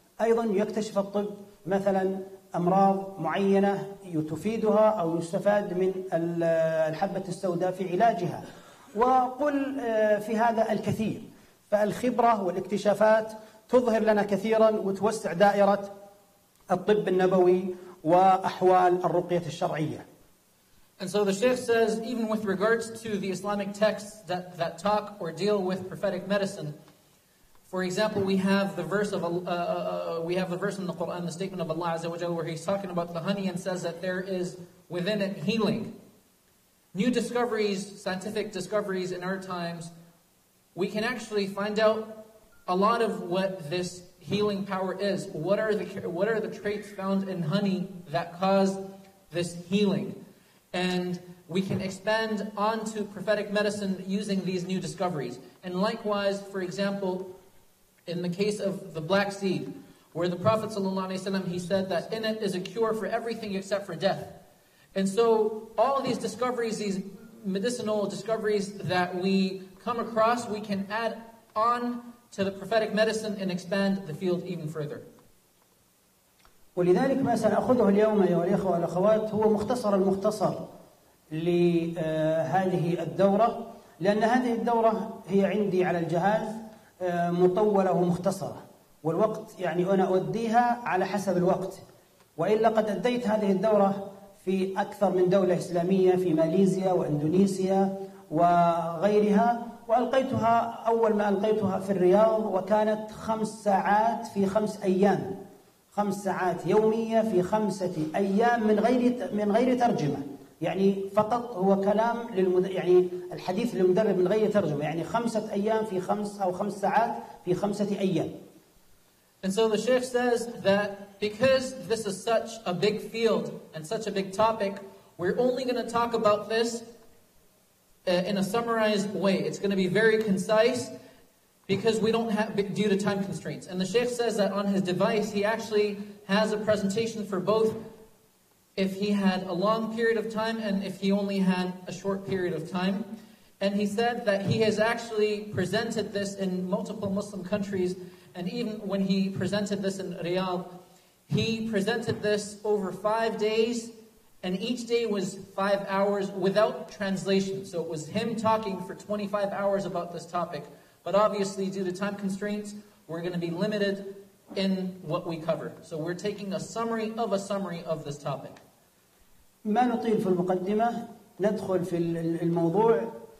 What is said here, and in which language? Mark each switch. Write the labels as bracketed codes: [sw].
[ar] أيضا يكتشف الطب مثلا أمراض معينة تفيدها أو يستفاد من الحبة السوداء في علاجها، وقل في هذا الكثير. فالخبرة والاكتشافات تظهر لنا كثيرا وتوسع دائرة الطب النبوي وأحوال الرقية الشرعية. [en] And so the Sheikh says, even with regards to the Islamic texts that talk or deal with prophetic medicine, for example, we have the verse in the Quran, the statement of Allah Azza wa Jalla, where he's talking about the honey and says that there is within it healing. New discoveries, scientific discoveries in our times, we can actually find out a lot of what this healing power is. What are the traits found in honey that cause this healing? And we can expand onto prophetic medicine using these new discoveries. And likewise, for example, in the case of the black seed, where the Prophet ﷺ, he said that in it is a cure for everything except for death. And so all of these discoveries, these medicinal discoveries that we come across, we can add on to the prophetic medicine and expand the field even further. [ar] ولذلك ما سنأخذه اليوم أيها الأخوة والأخوات هو مختصر المختصر لهذه الدورة، لأن هذه الدورة هي عندي على الجهاز مطولة ومختصرة، والوقت يعني أنا أوديها على حسب الوقت، وإلا قد أديت هذه الدورة في أكثر من دولة إسلامية في ماليزيا وإندونيسيا وغيرها، وألقيتها أول ما ألقيتها في الرياض، وكانت 5 ساعات في 5 أيام، 5 ساعات يومية في 5 أيام من غير ترجمة، يعني فقط هو كلام يعني الحديث للمدرب من غير ترجمة، يعني 5 أيام في 5 ساعات في 5 أيام. [en] And so the Sheikh says that because this is such a big field and such a big topic, we're only going to talk about this in a summarized way. It's going to be very concise, because we don't have, due to time constraints. And the Sheikh says that on his device, he actually has a presentation for both if he had a long period of time and if he only had a short period of time. And he said that he has actually presented this in multiple Muslim countries, and even when he presented this in Riyadh, he presented this over 5 days, and each day was 5 hours without translation. So it was him talking for 25 hours about this topic. But obviously, due to time constraints, we're going to be limited in what we cover. So we're taking a summary of a summary of this topic. [ar] ما نطيل في المقدمة، ندخل في الموضوع.